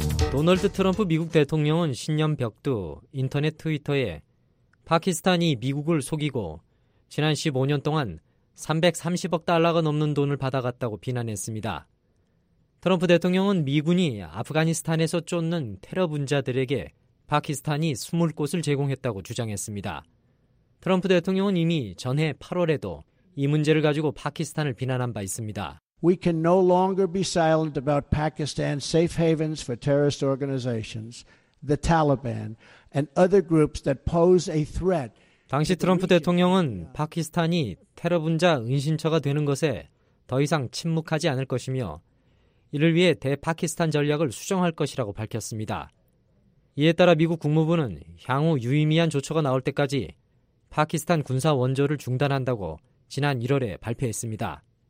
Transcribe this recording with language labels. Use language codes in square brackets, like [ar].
[ko] 도널드 트럼프 미국 대통령은 신년 벽두 인터넷 트위터에 파키스탄이 미국을 속이고 지난 15년 동안 330억 달러가 넘는 돈을 받아갔다고 비난했습니다. 트럼프 대통령은 미군이 아프가니스탄에서 쫓는 테러 분자들에게 파키스탄이 숨을 곳을 제공했다고 주장했습니다. 트럼프 대통령은 이미 전해 8월에도 이 문제를 가지고 파키스탄을 비난한 바 있습니다. [en] We can no longer be silent about Pakistan's safe havens for terrorist organizations, the Taliban, and other groups that pose a threat. [ko] 당시 트럼프 대통령은 파키스탄이 테러 분자 은신처가 되는 것에 더 이상 침묵하지 않을 것이며 이를 위해 대파키스탄 전략을 수정할 것이라고 밝혔습니다. 이에 따라 미국 국무부는 향후 유의미한 조처가 나올 때까지 파키스탄 군사 원조를 중단한다고 지난 1월에 발표했습니다.